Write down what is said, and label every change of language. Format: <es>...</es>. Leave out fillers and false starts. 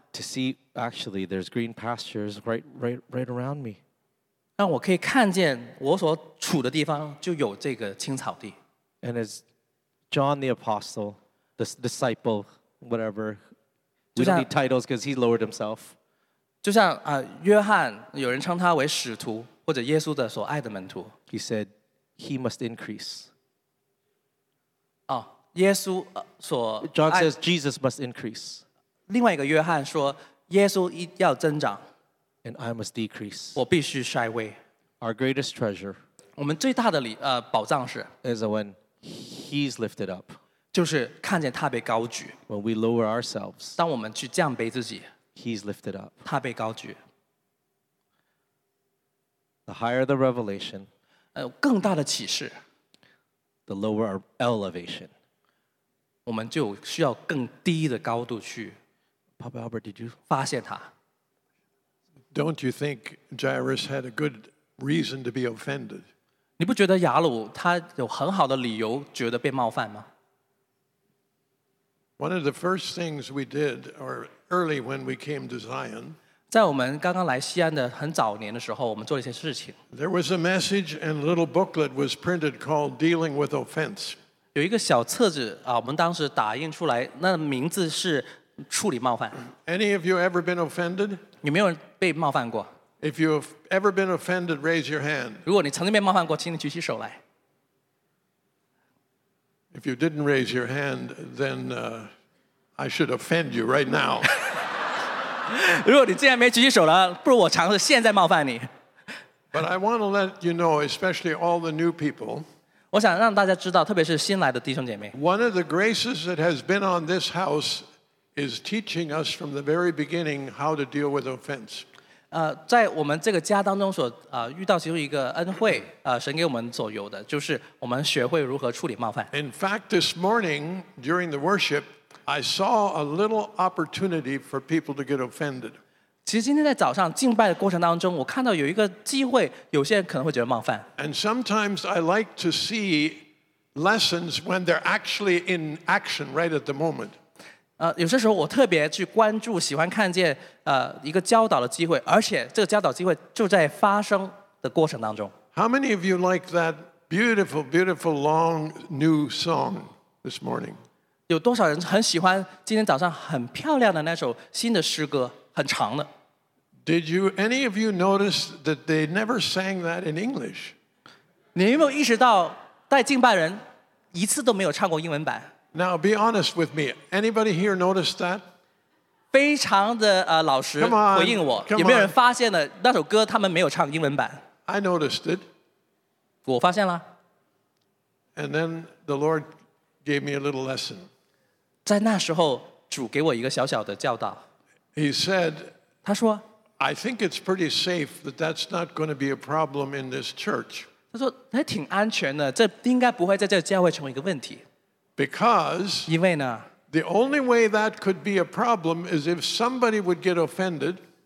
<en>To see, actually, there's green pastures right around me.</en> <zh>让我可以看见我所处的地方就有这个青草地。</zh> <en>And as John the Apostle, the disciple, whatever, we don't need titles because he lowered himself.</en> <zh>就像约翰，有人称他为使徒，或者耶稣的所爱的门徒。</zh> <en>He said, "He must increase."</en> <zh>哦，耶稣所。</zh> <en>John says Jesus must increase.</en> <zh>另外一个约翰说，耶稣要增长。</zh> <en>And I must decrease.</en> <zh>我必须衰微。</zh> <en>Our greatest treasure.</en> <zh>我们最大的宝藏是。</zh> <en>Is when he's lifted up.</en> <zh>就是看见他被高举。</zh> <en>When we lower ourselves.</en> <zh>当我们去降卑自己。</zh> <en>He's lifted up.</en> <zh>他被高举。</zh> <en>The higher the revelation.</en> <zh>更大的启示。</zh> <en>The lower our elevation.</en> <zh>我们就需要更低的高度去。</zh> <en>Papa Albert, did you?</en> <zh>发现他。</zh> <en>Don't you think Jairus had a good reason to be offended?</en> <zh>你不觉得雅鲁他有很好的理由觉得被冒犯吗？</zh> <en>One of the first things we did, or early when we came to Zion,</en> <zh>在我们刚刚来西安的很早年的时候，我们做了一些事情。</zh> <en>There was a message and a little booklet was printed called Dealing with Offense.</en> <zh>有一个小册子啊，我们当时打印出来，那名字是处理冒犯。</zh> <en>Any of you ever been offended?</en> <zh>有没有人被冒犯过？</zh> <en>If you have ever been offended, raise your hand.</en> <zh>如果你曾经被冒犯过，请你举起手来。</zh> <en>If you didn't raise your hand, then I should offend you right now.</en> <zh>如果你既然没举起手了，不如我尝试现在冒犯你。</zh> <en>But I want to let you know, especially all the new people.</en> <zh>我想让大家知道，特别是新来的弟兄姐妹。</zh> <en>One of the graces that has been on this house. Is teaching us from the very beginning how to deal with offense.</en> <zh>在我们这个家当中所遇到其中一个恩惠，神给我们所有的，就是我们学会如何处理冒犯。</zh> <en>In fact, this morning during the worship, I saw a little opportunity for people to get offended.</en> <zh>其实今天在早上敬拜的过程当中，我看到有一个机会，有些人可能会觉得冒犯。</zh> <en>And sometimes I like to see lessons when they're actually in action right at the moment.</en> <zh>有些时候我特别去关注，喜欢看见一个教导的机会，而且这个教导机会就在发生的过程当中。</zh> <en>How many of you like that beautiful, beautiful long new song this morning?</en> <zh>有多少人很喜欢今天早上很漂亮的那首新的诗歌，很长的</zh> <en>Did you, any of you notice that they never sang that in English?</en> <zh>你有没有意识到带敬拜人一次都没有唱过英文版?</zh> <en>Now be honest with me. Anybody here noticed that?</en> <zh>非常的老实回应我, 有没有人发现了那首歌他们没有唱英文版?</zh> <en>I noticed it.</en> <zh>我发现了。</zh> <en>And then the Lord gave me a little lesson.</en> <zh>在那时候主给我一个小小的教导。</zh> <en>He said,</en> <zh>他说,</zh> <en>I think it's pretty safe that that's not going to be a problem in this church.</en> <zh>他说,还挺安全的,</zh> <en>because</en> <zh>因为呢,</zh> <en>the only way that could be a problem is if somebody would get offended.</en>